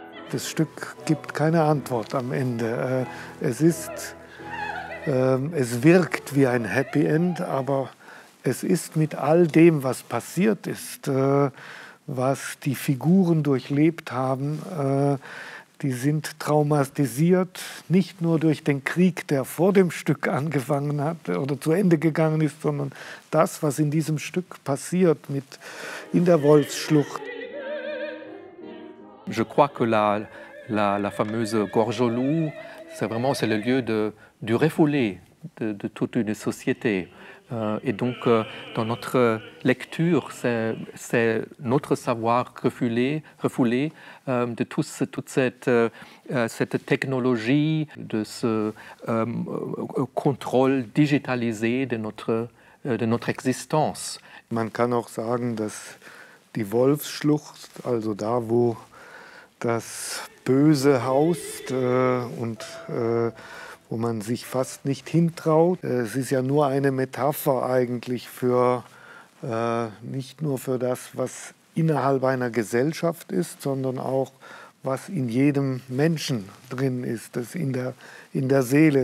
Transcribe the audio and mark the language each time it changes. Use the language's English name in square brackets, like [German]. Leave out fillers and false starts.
[German] Das Stück gibt keine Antwort am Ende. Es wirkt wie ein Happy End, aber es ist mit all dem, was passiert ist, was die Figuren durchlebt haben, die sind traumatisiert, nicht nur durch den Krieg, der vor dem Stück angefangen hat oder zu Ende gegangen ist, sondern das, was in diesem Stück passiert, mit in der Wolfsschlucht. [French] Je crois que la fameuse Gorge au Loup, c'est vraiment c'est le lieu de du refoulé de toute une société. Et donc dans notre lecture, c'est notre savoir refoulé de toute cette technologie, de ce contrôle digitalisé de notre existence. [German] Man kann auch sagen, dass die Wolfsschlucht, also da wo das Böse haust und wo man sich fast nicht hintraut. Es ist ja nur eine Metapher eigentlich für nicht nur für das, was innerhalb einer Gesellschaft ist, sondern auch, was in jedem Menschen drin ist, das in der Seele.